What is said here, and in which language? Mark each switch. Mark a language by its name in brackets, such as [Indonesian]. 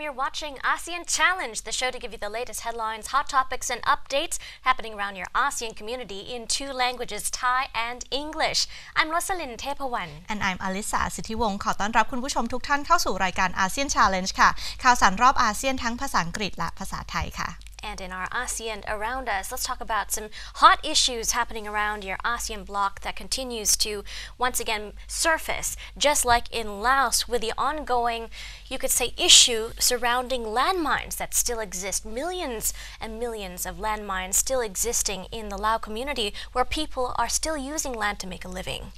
[English] You're watching ASEAN Challenge, the show to give you the latest headlines, hot topics, and updates happening around your ASEAN community in two languages, Thai and English. I'm Rosalind Tepawan. And I'm Alyssa Sithiwong. [Thai] ขอต้อนรับคุณผู้ชมทุกท่านเข้าสู่รายการ ASEAN Challenge ค่ะ ข่าวสารรอบอาเซียนทั้งภาษาอังกฤษและภาษาไทยค่ะ [English] And in our ASEAN around us, let's talk about some hot issues happening around your ASEAN bloc that continues to once again surface, just like in Laos, with the ongoing, you could say, issue surrounding landmines that still exist. Millions and millions of landmines still existing in the Lao community where people are still using land to make a living.